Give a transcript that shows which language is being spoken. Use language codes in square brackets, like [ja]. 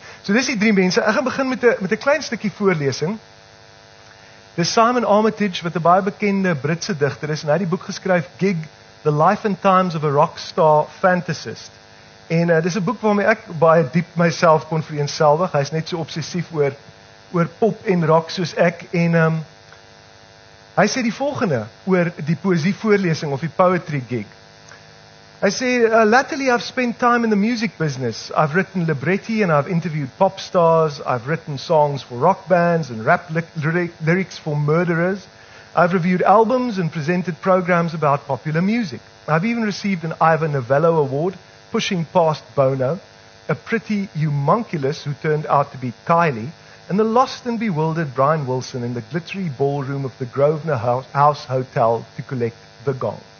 [af] So dis die drie mense, ek gaan begin met een klein stukkie voorlesing. Dis Simon Armitage, wat een baie bekende Britse dichter is, en hy het die boek geskryf Gig, The Life and Times of a Rockstar Fantasist. En dit is een boek waarmee ek baie diep myself kon vereenselwig. Hy is net so obsessief oor pop en rock soos ek. En hy sê die volgende oor die poesie voorlesing of die poetry gig. Hy sê, [en] latterly I've spent time in the music business. I've written libretti and I've interviewed pop stars. I've written songs for rock bands and rap lyrics for murderers. I've reviewed albums and presented programs about popular music. I've even received an Ivor Novello Award. Pushing past Bono, a pretty homunculus who turned out to be Kylie, and the lost and bewildered Brian Wilson in the glittery ballroom of the Grosvenor House Hotel to collect the gong.